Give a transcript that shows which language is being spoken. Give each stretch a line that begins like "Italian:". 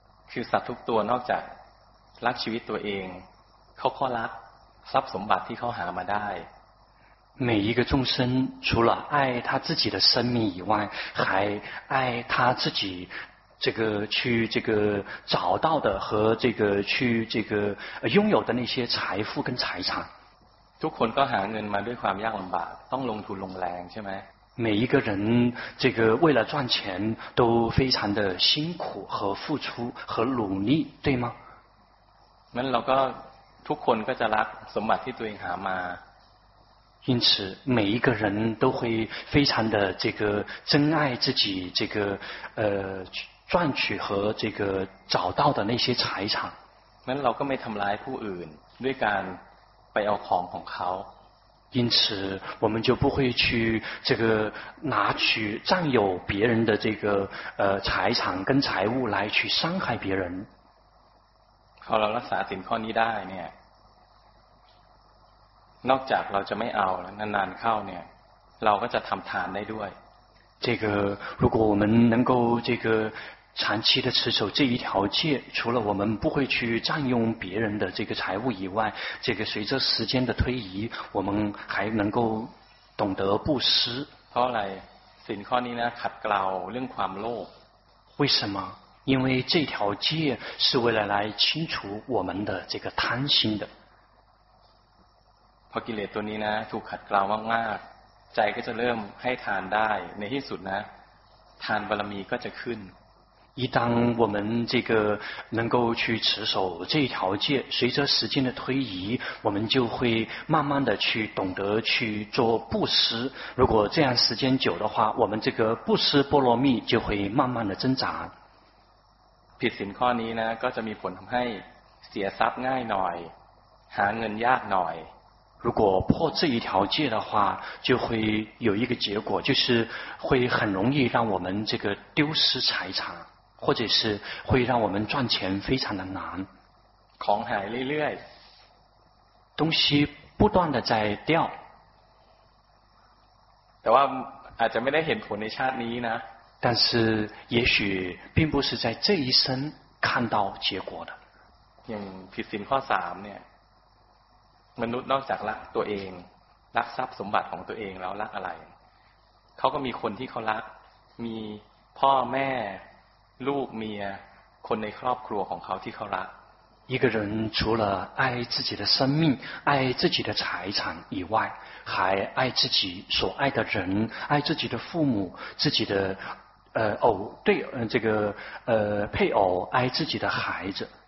Thai: คือสัตว์ทุกตัวนอกจากรักชีวิตตัวเองเขาก็รักทรัพย์สมบัติที่เขาหามาได้
Chinese: 每一个众生除了爱他自己的生命以外，还爱他自己这个去这个找到的和这个去这个拥有的那些财富跟财产。
Thai: ทุกคนก็หาเงินมาด้วยความยากลำบากต้องลงทุนลงแรงใช่ไหม
Chinese: 每一个人这个为了赚钱都非常的辛苦和付出和努力对吗
Thai: นั้นเราก็ทุกคนก็จะรักสมบัติที่ตัวเองหามา
Chinese: 因此每一个人都会非常的这个珍爱自己这个赚取和这个找到的那些财产。
Thai: 那เราก็ไม่ทําร้ายผู้อื่นด้วยการไปเอาของของเขา。
Chinese: 因此我们就不会去这个拿取占有别人的这个财产跟财物来去伤害别人。
Thai: พอเรารักษาศีลข้อนี้ได้เนี่ยนอกจากเราจะไม่เอาแล้วนานๆเข้าเนี่ยเราก็จะทำทานได้ด้วย
Chinese: 这个如果我们能够这个长期的持守这一条戒，除了我们不会去占用别人的这个财物以外，这个随着时间的推移，我们还能够懂得布施。
Thai: เพราะอะไรสิ่งข้อนี้นะขัดเกลาเรื่องความโลภ
Chinese: 为什么？因为这条戒是为了来清除我们的这个贪心的。
Thai: พอกิเลสตัวนี้นะถูกขัดเกลามากๆใจก็จะเริ่มให้ทานได้ในที่สุดนะทานบารมีก็จะขึ้น
Chinese: 一当我们这个能够去持守这条戒，随着时间的推移，我们就会慢慢的去懂得去做布施。如果这样时间久的话，我们这个布施波罗蜜就会慢慢的增长。
Thai: ผิดศีลข้อนี้นะก็จะมีผลทำให้เสียทรัพย์ง่ายหน่อยหาเงินยากหน่อย
Chinese: 如果破这一条戒的话，就会有一个结果，就是会很容易让我们这个丢失财产，或者是会让我们赚钱非常的难。
Thai: ของหายเรื่อย
Chinese: ๆ东西不断的在掉。
Thai: แต่ว่าอาจจะไม่ได้เห็นผลในชาตินี้นะ
Chinese: 但是也许并不是在这一生看到结果的。
Thai: อย่างผิดศีลข้อสามเนี่ยมนุษย์นอกจากรักตัวเองรักทรัพย์สมบัติของตัวเองแล้วรักอะไรเขาก็มีคนที่เขารักมีพ่อแม่ลูกเมียคนในครอบครัวของเขาที่เขารัก
Chinese: 一个人除了爱自己的生命爱自己的财产以外还爱自己所爱的人爱自己的父母自己的偶对这个配偶爱自己的孩子